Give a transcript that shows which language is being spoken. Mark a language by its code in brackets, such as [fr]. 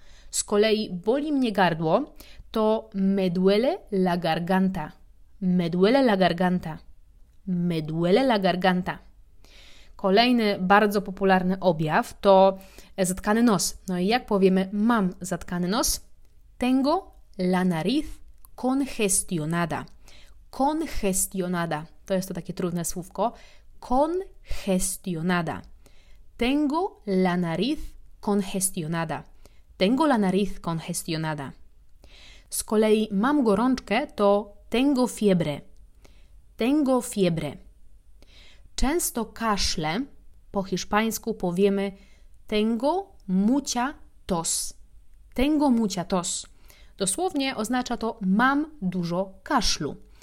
[pl] Z kolei boli mnie gardło, to [es] me duele la garganta. Me duele la garganta. Me duele la garganta. [pl] Kolejny bardzo popularny objaw to zatkany nos. No i jak powiemy, mam zatkany nos? [es] Tengo la nariz congestionada. Congestionada. [pl] To jest to takie trudne słówko. [es] Congestionada. Tengo la nariz congestionada. Tengo la nariz congestionada. [pl] Z kolei mam gorączkę to [es] tengo fiebre. Tengo fiebre. [pl] Często kaszle, po hiszpańsku powiemy [es] tengo mucha tos. Tengo mucha tos. [pl] Dosłownie oznacza to mam dużo kaszlu.